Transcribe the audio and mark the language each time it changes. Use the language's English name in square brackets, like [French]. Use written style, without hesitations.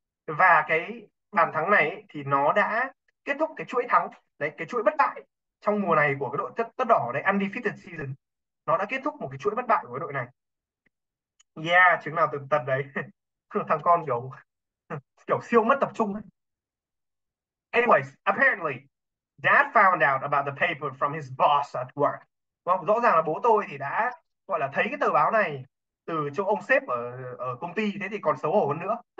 [Vietnamese] Và cái bàn thắng này thì nó đã kết thúc cái chuỗi thắng đấy, cái chuỗi bất bại trong mùa này của cái đội tất đỏ đấy, [English] undefeated season. [Vietnamese] Nó đã kết thúc một cái chuỗi bất bại của cái đội này. Yeah, chứng nào tường tận đấy. Thằng con kiểu kiểu siêu mất tập trung ấy. [English] Anyways, apparently, Dad found out about the paper from his boss at work. [Vietnamese] Không, rõ ràng là bố tôi thì đã gọi là thấy cái tờ báo này từ chỗ ông sếp ở ở công ty, thế thì còn xấu hổ hơn nữa.